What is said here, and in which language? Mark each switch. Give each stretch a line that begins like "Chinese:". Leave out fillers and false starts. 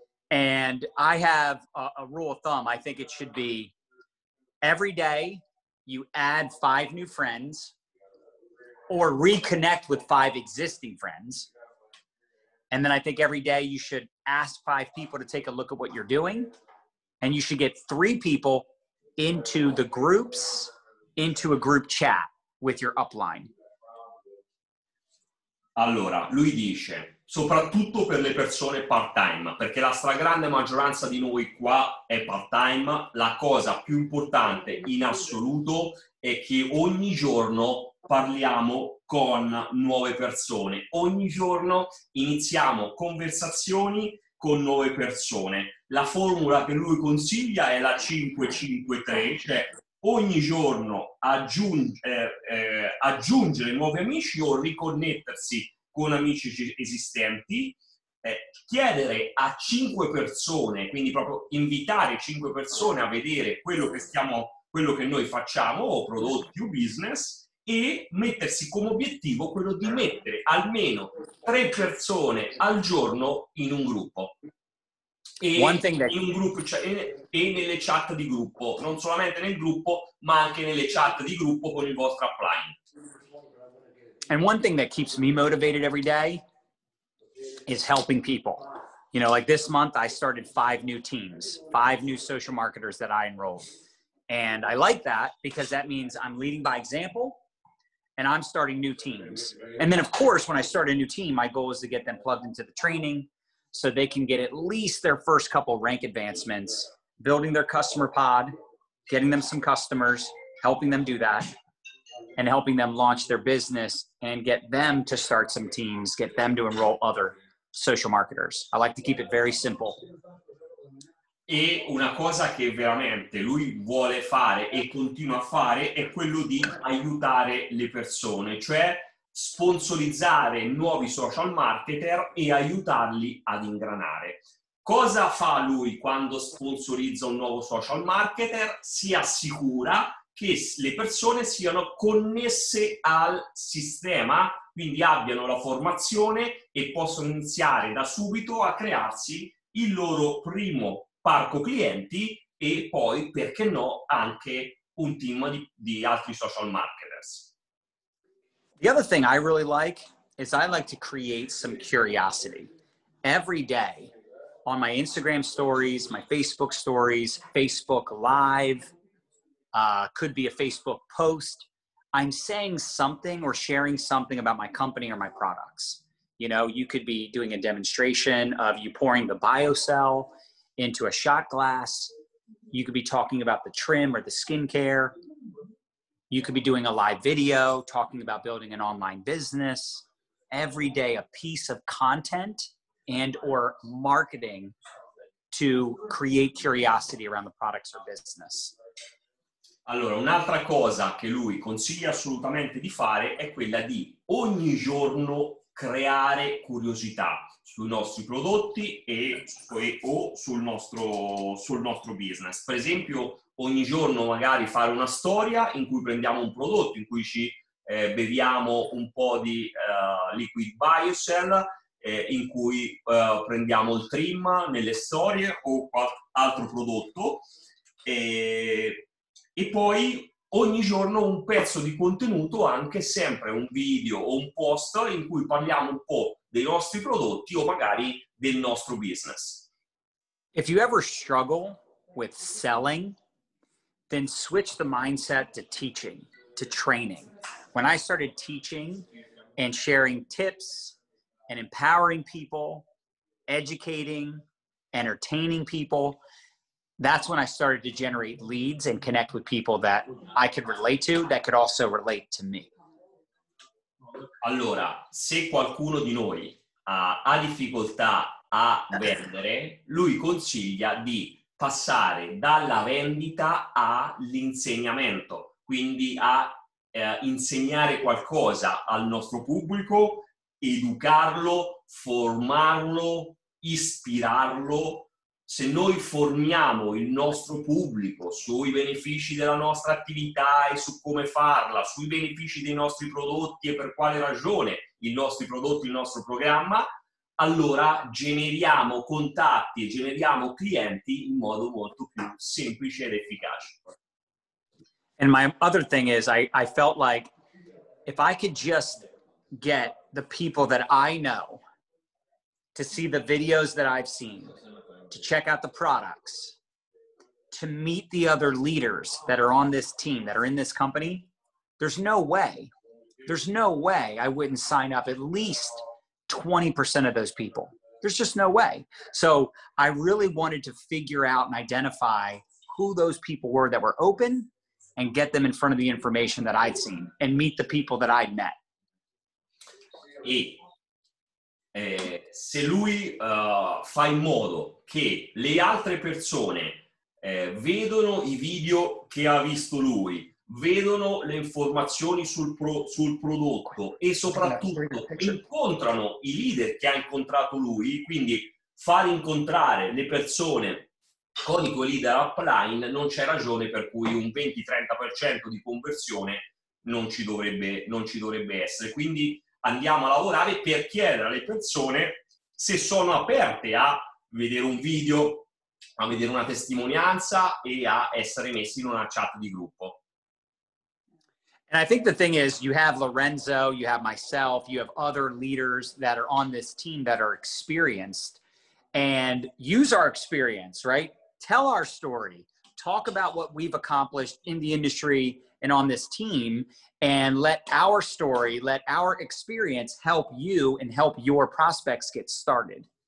English: And I have a rule of thumb. I think it should be every day you add 5 new friends or reconnect with 5 existing friends. And then I think every day you should ask 5 people to take a look at what you're doing. And you should get 3 people into the groups, into a group chat with your upline.
Italian: Allora, lui dice, soprattutto per le persone part-time, perché la stragrande maggioranza di noi qua è part-time, la cosa più importante in assoluto è che ogni giorno parliamo con nuove persone. Ogni giorno iniziamo conversazioni con nuove persone. La formula che lui consiglia è la 5-5-3, cioè ogni giorno aggiungere nuovi amici o riconnettersi con amici esistenti, chiedere a 5 persone, quindi proprio invitare 5 persone a vedere quello che noi facciamo, o prodotti o business, e mettersi come obiettivo quello di mettere almeno 3 persone al giorno in un gruppo. E nelle chat di gruppo, non solamente nel gruppo, ma anche nelle chat di gruppo con il vostro upline.
English: And one thing that keeps me motivated every day is helping people. You know, like this month I started 5 new teams, 5 new social marketers that I enrolled. And I like that because that means I'm leading by example and I'm starting new teams. And then of course, when I start a new team, my goal is to get them plugged into the training so they can get at least their first couple rank advancements, building their customer pod, getting them some customers, helping them do that, and helping them launch their business and get them to start some teams, get them to enroll other social marketers. I like to keep it very simple.
Italian: E una cosa che veramente lui vuole fare e continua a fare è quello di aiutare le persone, cioè sponsorizzare nuovi social marketer e aiutarli ad ingranare. Cosa fa lui quando sponsorizza un nuovo social marketer? Si assicura che le persone siano connesse al sistema, quindi abbiano la formazione e possono iniziare da subito a crearsi il loro primo parco clienti e poi, perché no, anche un team di altri social marketers.
English: The other thing I really like is I like to create some curiosity. Every day, on my Instagram stories, my Facebook stories, Facebook Live, could be a Facebook post, I'm saying something or sharing something about my company or my products. You know, you could be doing a demonstration of you pouring the BioCell into a shot glass. You could be talking about the trim or the skincare. You could be doing a live video talking about building an online business. Every day, a piece of content and or marketing to create curiosity around the products or business.
Italian: Allora, un'altra cosa che lui consiglia assolutamente di fare è quella di ogni giorno creare curiosità sui nostri prodotti o sul nostro business. Per esempio, ogni giorno magari fare una storia in cui prendiamo un prodotto, in cui ci beviamo un po' di liquid BioCell, in cui prendiamo il trim nelle storie o altro prodotto. E poi ogni giorno un pezzo di contenuto, anche sempre un video o un post in cui parliamo un po' dei nostri prodotti o magari del nostro business.
English: If you ever struggle with selling, then switch the mindset to teaching, to training. When I started teaching and sharing tips and empowering people, educating, entertaining people, that's when I started to generate leads and connect with people that I could relate to, that could also relate to me.
Italian: Allora, se qualcuno di noi ha difficoltà a vendere, lui consiglia di passare dalla vendita all'insegnamento, quindi a insegnare qualcosa al nostro pubblico, educarlo, formarlo, ispirarlo. Se noi formiamo il nostro pubblico sui benefici della nostra attività e su come farla, sui benefici dei nostri prodotti e per quale ragione i nostri prodotti, il nostro programma, allora generiamo contatti e generiamo clienti in modo molto più semplice ed efficace.
English: And my other thing is, I felt like if I could just get the people that I know to see the videos that I've seen, to check out the products, to meet the other leaders that are on this team, that are in this company, there's no way I wouldn't sign up at least 20% of those people. There's just no way. So I really wanted to figure out and identify who those people were that were open and get them in front of the information that I'd seen and meet the people that I'd met.
Italian: Se lui fa in modo che le altre persone vedono i video che ha visto lui, vedono le informazioni sul prodotto e soprattutto incontrano i leader che ha incontrato lui, quindi far incontrare le persone con i tuoi leader upline, non c'è ragione per cui un 20-30% di conversione non ci dovrebbe essere. Quindi andiamo a lavorare per chiedere alle persone se sono aperte a vedere un video, a vedere una testimonianza e a essere messi in una chat di gruppo.
English: And I think the thing is, you have Lorenzo, you have myself, you have other leaders that are on this team that are experienced, and use our experience, right? Tell our story. Talk about what we've accomplished in the industry and on this team, and let our story, let our experience help you and help your prospects get started.